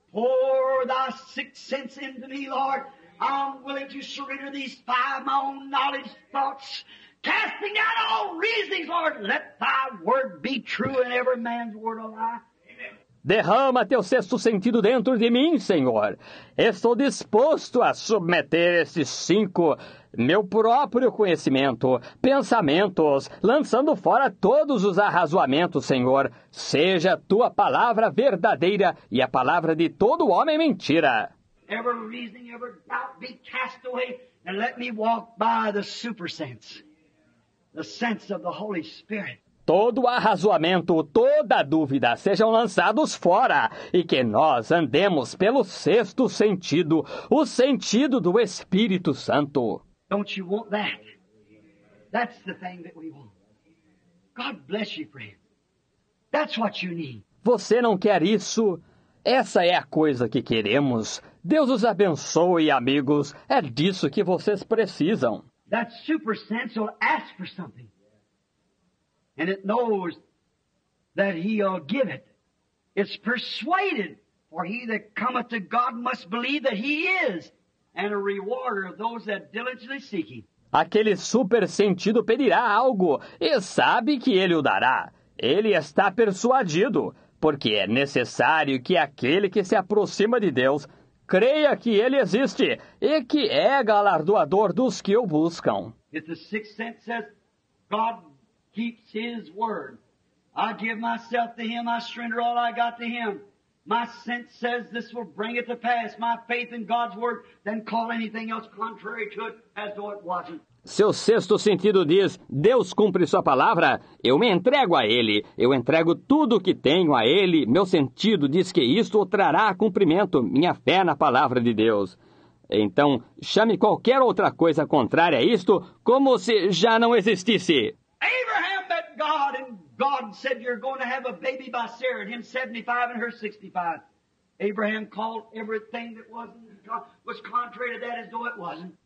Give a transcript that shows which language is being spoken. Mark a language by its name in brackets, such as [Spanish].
[English] Pour thy sixth sense into me, Lord. I'm willing to surrender these five my own knowledge thoughts. Casting out all reasoning, Lord. Let thy word be true and every man's word a lie. [Portuguese] Derrama teu sexto sentido dentro de mim, Senhor. Estou disposto a submeter esses cinco, meu próprio conhecimento, pensamentos, lançando fora todos os arrazoamentos, Senhor. Seja tua palavra verdadeira e a palavra de todo homem mentira. [English] Every reasoning, every doubt be cast away, and let me walk by the super sense, the sense of the Holy Spirit. [Portuguese] Todo arrazoamento, toda dúvida sejam lançados fora, e que nós andemos pelo sexto sentido, o sentido do Espírito Santo. [English] Don't you want that? That's the thing that we want. God bless you, friend. That's what you need. [Portuguese] Você não quer isso? Essa é a coisa que queremos. Deus os abençoe, amigos. É disso que vocês precisam. [English] That super sense will ask for something. And it knows that He'll give it. It's persuaded, for he that cometh to God must believe that He is, and a rewarder of those that diligently seek Him. [Portuguese] Aquele super sentido pedirá algo, e sabe que Ele o dará. Ele está persuadido, porque é necessário que aquele que se aproxima de Deus creia que Ele existe, e que é galardoador dos que o buscam. [English] If the sixth sense says, God keeps His word. I give myself to Him. I surrender all I got to Him. My sense says this will bring it to pass. My faith in God's word. Then call anything else contrary to it as though it wasn't. [Portuguese] Seu sexto sentido diz, Deus cumpre sua palavra, eu me entrego a Ele, eu entrego tudo o que tenho a Ele. Meu sentido diz que isto o trará a cumprimento, minha fé na palavra de Deus. Então, chame qualquer outra coisa contrária a isto, como se já não existisse. [English] Abraham met God, and God said, you're going to have a baby by Sarah, and him 75 and her 65. Abraham called everything that was contrary to that as though it wasn't.